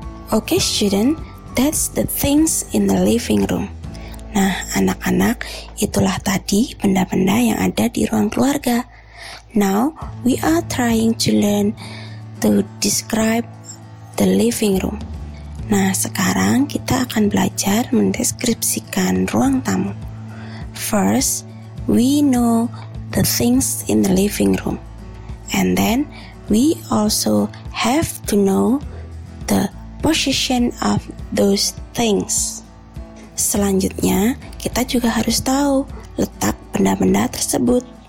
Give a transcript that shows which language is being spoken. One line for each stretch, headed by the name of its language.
English: Okay student, that's the things in the living room.
Indonesian: Nah, anak-anak, itulah tadi benda-benda yang ada di ruang keluarga.
English: Now, we are trying to learn to describe the living room.
Indonesian: Nah, sekarang kita akan belajar mendeskripsikan ruang tamu.
English: First, we know the things in the living room. And then, we also have to know the position of those things.
Indonesian: Selanjutnya, kita juga harus tahu letak benda-benda tersebut.